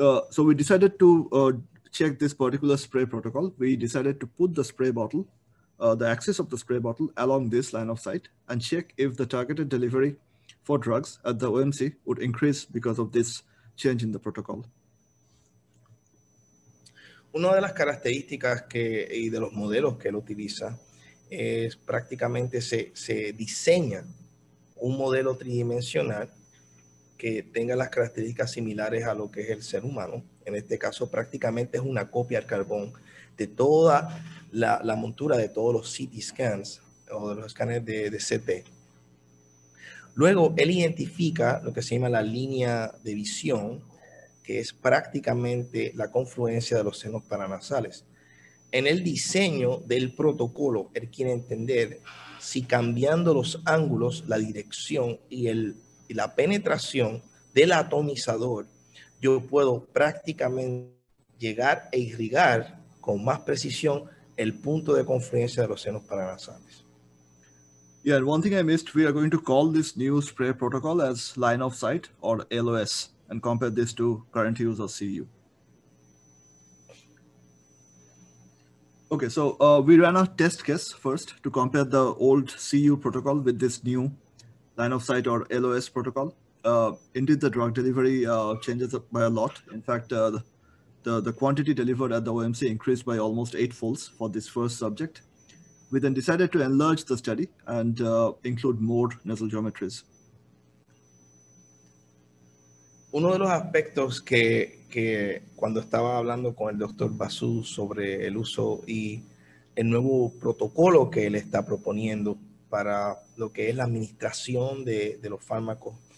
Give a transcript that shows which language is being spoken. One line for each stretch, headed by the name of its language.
English: So we decided to check this particular spray protocol. We decided to put the spray bottle, the axis of the spray bottle along this line of sight and check if the targeted delivery for drugs at the OMC would increase because of this change in the protocol.
Spanish: Una de las características que, y de los modelos que él utiliza es prácticamente se diseña un modelo tridimensional que tenga las características similares a lo que es el ser humano. En este caso, prácticamente es una copia al carbón de toda la montura de todos los CT scans o de los escáneres de CT. Luego, él identifica lo que se llama la línea de visión, que es prácticamente la confluencia de los senos paranasales. En el diseño del protocolo, él quiere entender si cambiando los ángulos, la dirección y la penetración del atomizador, yo puedo prácticamente llegar e irrigar con más precisión el punto de confluencia de los senos paranasales.
English: Yeah, and one thing I missed, we are going to call this new spray protocol as line of sight or LOS and compare this to current use of CU. Okay, so we ran a test case first to compare the old CU protocol with this new line of sight or LOS protocol. Indeed, the drug delivery changes by a lot. In fact, the quantity delivered at the OMC increased by almost eightfold for this first subject. We then decided to enlarge the study and include more nasal geometries.
Spanish: Uno de los aspectos que cuando estaba hablando con el doctor Basu sobre el uso y el nuevo protocolo que él está proponiendo para lo que es la administración de los fármacos